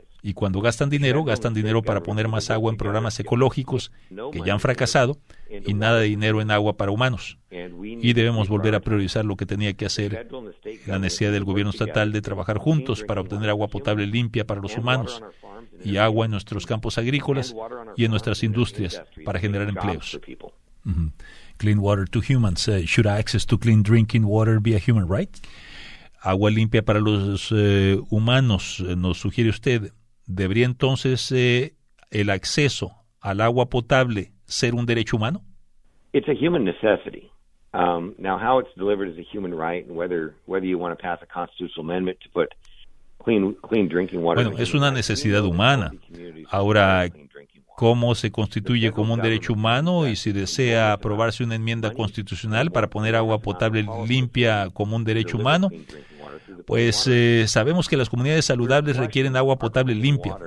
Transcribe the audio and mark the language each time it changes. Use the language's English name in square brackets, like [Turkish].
[Spanish] Y cuando gastan dinero para poner más agua en programas ecológicos que ya han fracasado, y nada de dinero en agua para humanos. Y debemos volver a priorizar lo que tenía que hacer la necesidad del gobierno estatal de trabajar juntos para obtener agua potable limpia para los humanos y agua en nuestros campos agrícolas y en nuestras industrias para generar empleos. [English] Mm-hmm. Clean water to humans. Should access to clean drinking water be a human right? [Spanish] Agua limpia para los humanos, nos sugiere usted. ¿Debería entonces el acceso al agua potable ser un derecho humano? [English] It's a human necessity. Now, how it's delivered is a human right, and whether you want to pass a constitutional amendment to put clean drinking water. [Spanish] Bueno, es una necesidad humana. Ahora, ¿cómo se constituye como un derecho humano y si desea aprobarse una enmienda constitucional para poner agua potable limpia como un derecho humano? Pues sabemos que las comunidades saludables requieren agua potable limpia.